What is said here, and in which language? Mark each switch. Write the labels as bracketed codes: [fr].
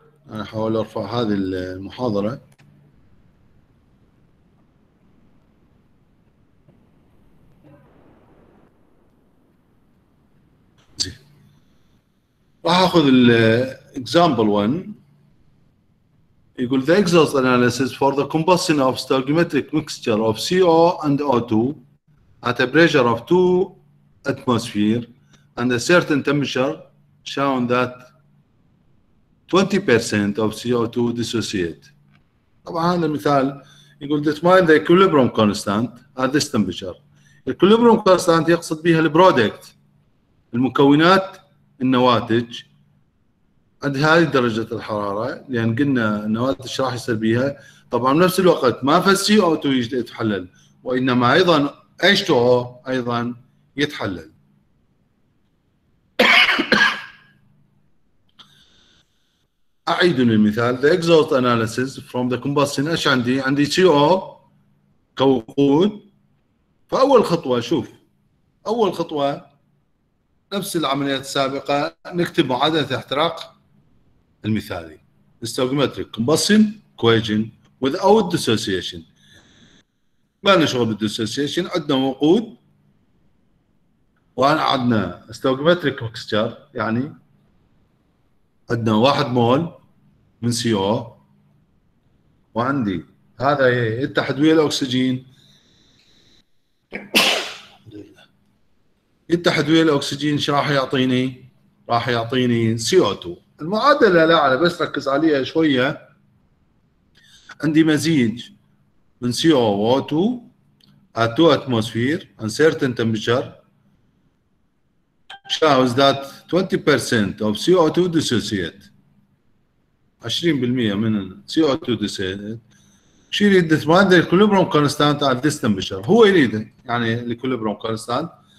[ar] أنا أحاول أرفع هذه المحاضرة. راح أخذ الـ example one. يقول [en] the exhaust analysis for the combustion of stoichiometric mixture of CO and O2 at a pressure of 2 atmosphere and a certain temperature shown that 20% of CO2 dissociate. [ar] طبعا هذا المثال يقول [en] determine the equilibrium constant at this temperature. [ar] equilibrium constant يقصد بها البرودكت، المكونات النواتج عند هذه درجة الحرارة، لأن قلنا النواتج راح يصير بها طبعا بنفس الوقت ما في CO2 يتحلل، وإنما أيضا H2O أيضا يتحلل. أعيد المثال. [en] The exhaust analysis from the combustion. [ar] إيش عندي؟ عندي CO كوقود. فأول خطوة، شوف أول خطوة نفس العمليات السابقة، نكتب معادلة احتراق المثالي. [en] Stoichiometric combustion equation without dissociation. [ar] ما نشغل بالdissociation. عندنا وقود وعندنا stoichiometric mixture، يعني عندنا 1 مول من CO، وعندي هذا يتحد ويا الأكسجين، يتحد ويا الأكسجين ايش راح يعطيني؟ راح يعطيني CO2. المعادلة لا على بس ركز عليها شوية، عندي مزيج من CO و O2 [en] at 2 atmosphere and certain temperature shows that 20% of CO2 dissociate. [ar] 20% من CO2 dissociate. شو يريد؟ [en] Determine the الكوليبروم constant على this temperature. [ar] هو يريد يعني [en] الكوليبروم كونستانت.